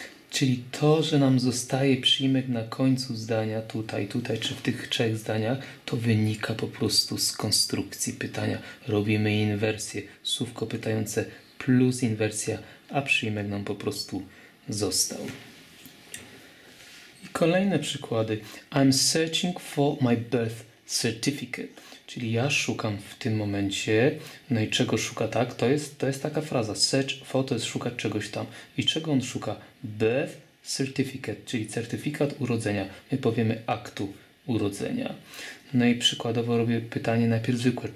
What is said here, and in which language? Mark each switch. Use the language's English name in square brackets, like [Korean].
[Polish] Czyli to, że nam zostaje przyimek na końcu zdania tutaj, czy w tych trzech zdaniach, to wynika po prostu z konstrukcji pytania. Robimy inwersję, słówko pytające plus inwersja, a przyimek nam po prostu został. I kolejne przykłady. [English] I'm searching for my birth certificate. [Polish] Czyli ja szukam w tym momencie. No i czego szuka, tak? To jest taka fraza. Search for to jest szukać czegoś tam. I czego on szuka? [English] Birth certificate, [Polish] czyli certyfikat urodzenia. My powiemy aktu urodzenia. No i przykładowo robię pytanie najpierw zwykłe.